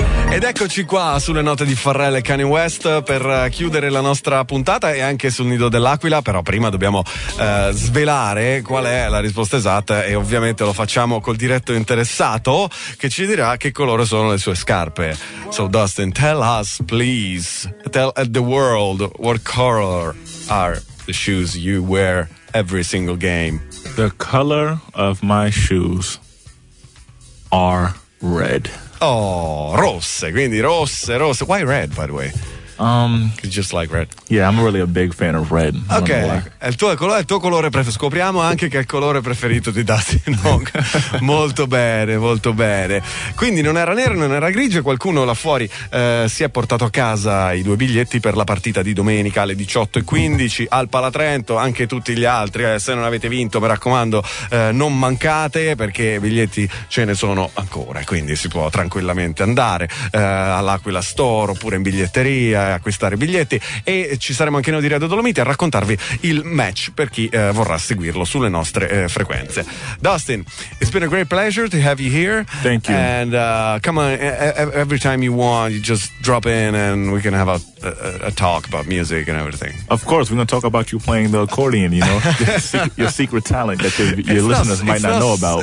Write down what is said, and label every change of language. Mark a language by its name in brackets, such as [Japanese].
[Italian] Ed eccoci qua sulle note di Pharrell e Kanye West per chiudere la nostra puntata e anche sul Nido dell'Aquila, però prima dobbiamo svelare qual è la risposta esatta e ovviamente lo facciamo col diretto interessato che ci dirà che colore sono le sue scarpe. [English] So Dustin, tell us please, tell the world what color are the shoes you wear every single game. The color of my shoes are red. Oh, [Italian] rosse, quindi rosse. [English] Why red, by the way? You just like red. Yeah, I'm really a big fan of red. [Italian] Okay, è il tuo colore preferito. Scopriamo anche che è il colore preferito di Dustin Hogg. molto bene. Quindi non era nero, non era grigio. Qualcuno là fuori si è portato a casa i due biglietti per la partita di domenica alle 18:15 al Palatrento. Anche tutti gli altri, se non avete vinto, mi raccomando, non mancate, perché biglietti ce ne sono ancora. Quindi si può tranquillamente andare all'Aquila Store oppure in biglietteria a acquistare biglietti, e ci saremo anche noi di Radio Dolomiti a raccontarvi il match per chi vorrà seguirlo sulle nostre frequenze. [English] Dustin, it's been a great pleasure to have you here. Thank you. And come on, every time you want, you just drop in and we can have a talk about music and everything. Of course, we're going to talk about you playing the accordion, you know, your secret talent that your listeners might not know about.